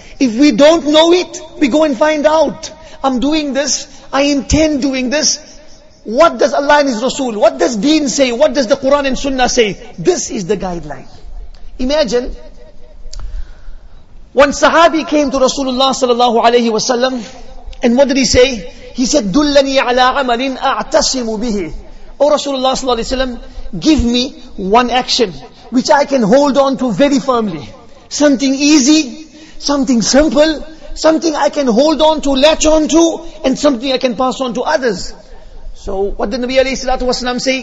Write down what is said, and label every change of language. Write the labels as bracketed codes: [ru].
[en] If we don't know it, we go and find out. I'm doing this, I intend doing this. What does Allah and His Rasul, what does Deen say, what does the Quran and Sunnah say? This is the guideline. Imagine, one Sahabi came to Rasulullah sallallahu alayhi wa sallam, and what did he say? He said, [ar] دُلَّنِي عَلَىٰ عَمَلٍ أَعْتَصِمُ بِهِ. [en] O Rasulullah sallallahu alayhi wa sallam, give me one action which I can hold on to very firmly. Something easy, something simple, something I can hold on to, latch on to, and something I can pass on to others. So what did Nabi alayhi salatu wasalam say?